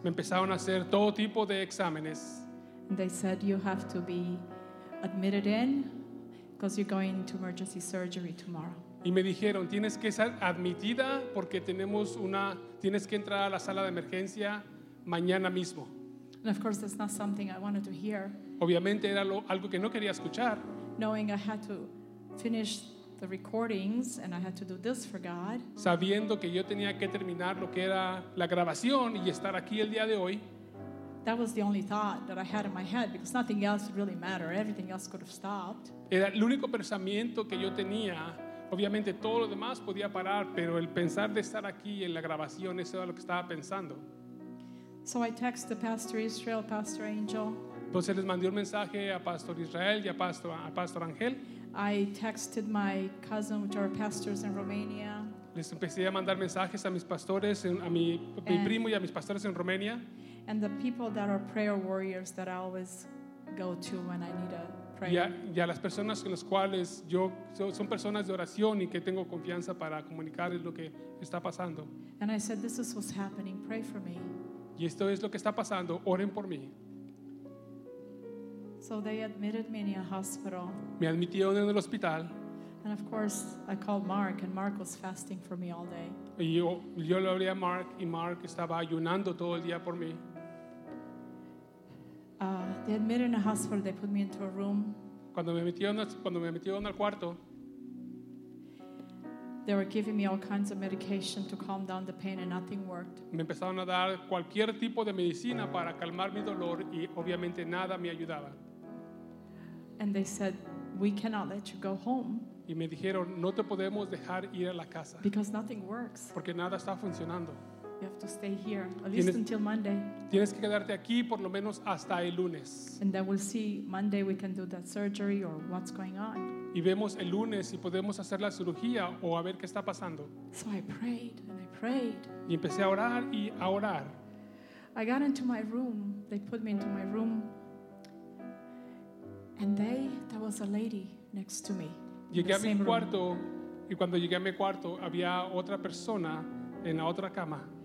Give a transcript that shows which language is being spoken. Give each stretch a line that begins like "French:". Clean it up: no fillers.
Spanish: Me empezaron a hacer todo tipo de exámenes.
English: And they said you have to be admitted in because you're going to emergency surgery tomorrow.
Spanish: Y me dijeron, tienes que ser admitida porque tienes que entrar a la sala de emergencia mañana mismo.
English: And of course, that's not something I wanted to hear.
Spanish: Obviamente era algo que no quería escuchar.
English: Knowing I had to finish the recordings and I had to do this for God.
Spanish: Sabiendo que yo tenía que terminar lo que era la grabación y estar aquí el día de hoy.
English: That was the only thought that I had in my head because nothing else really mattered. Everything else could have stopped.
Spanish: Era el único pensamiento que yo tenía. Obviamente todo lo demás podía parar, pero el pensar de estar aquí en la grabación, eso era lo que estaba pensando.
English: So I texted Pastor Israel, Pastor Angel.
Spanish: Entonces les mandé un mensaje a Pastor Israel y a Pastor Angel.
English: I texted my cousin, which are pastors in Romania.
Spanish: Les empecé a mandar mensajes a mis pastores, a mi primo y a mis pastores en Romania.
English: And the people that are prayer warriors that I always go to when I need a prayer.
Spanish: Y a las personas con las cuales yo son personas de oración y que tengo confianza para comunicarles lo que está pasando.
English: And I said, "This is what's happening. Pray for me."
Spanish: Y esto es lo que está pasando. Oren por mí.
English: So they admitted me in a hospital.
Spanish: Me admitieron en el hospital.
English: And of course, I called Mark, and Mark was fasting for me all day.
Spanish: Yo le hablé a Mark, y Mark estaba ayunando todo el día por mí.
English: They admitted in a hospital. They put me into a room.
Spanish: Cuando me metieron al cuarto,
English: they were giving me all kinds of medication to calm down the pain, and nothing worked.
Spanish: Me empezaron a dar cualquier tipo de medicina para calmar mi dolor, y obviamente nada me ayudaba.
English: And they said, "We cannot let you go home."
Spanish: Y me dijeron, "No te podemos dejar ir a la casa."
English: Because nothing works.
Spanish: Porque nada está funcionando.
English: You have to stay here, at least until Monday.
Spanish: Tienes que quedarte aquí por lo menos hasta el lunes.
English: And then we'll see Monday we can do that surgery or what's going on.
Spanish: Y vemos el lunes si podemos hacer la cirugía o a ver qué está pasando.
English: So I prayed and I prayed.
Spanish: Y empecé a orar y a orar.
English: I got into my room. They put me into my room. And there was a lady next to me.
Spanish: Llegué a mi cuarto y cuando llegué a mi cuarto había otra persona en la otra cama.